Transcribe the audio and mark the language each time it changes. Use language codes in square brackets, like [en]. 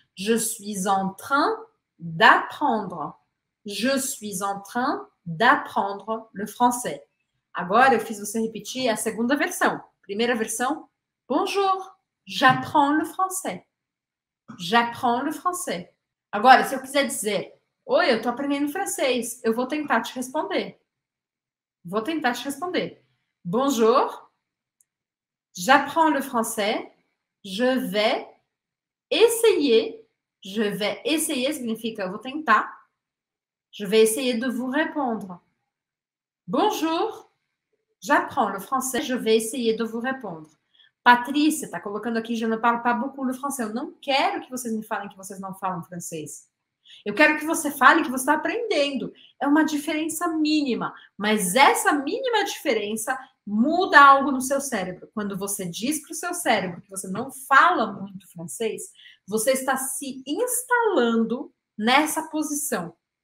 [fr] Je suis en train d'apprendre. Je suis en train d'apprendre le français. [pt] Agora eu fiz você repetir a segunda versão. Primeira versão: [fr] bonjour, j'apprends le français. J'apprends le français. [pt] Agora, se eu quiser dizer: oi, eu tô aprendendo francês, eu vou tentar te responder. Vou tentar te responder. [fr] Bonjour, j'apprends le français, je vais essayer [pt] significa eu vou tentar, [fr] je vais essayer de vous répondre. Bonjour, j'apprends le français, je vais essayer de vous répondre. [pt] Patrícia tá colocando aqui, [fr] je ne parle pas beaucoup le français, [pt] eu não quero que vocês me falem que vocês não falam francês. Eu quero que você fale que você está aprendendo. É uma diferença mínima. Mas essa mínima diferença muda algo no seu cérebro. Quando você diz para o seu cérebro que você não fala muito francês, você está se instalando nessa posição.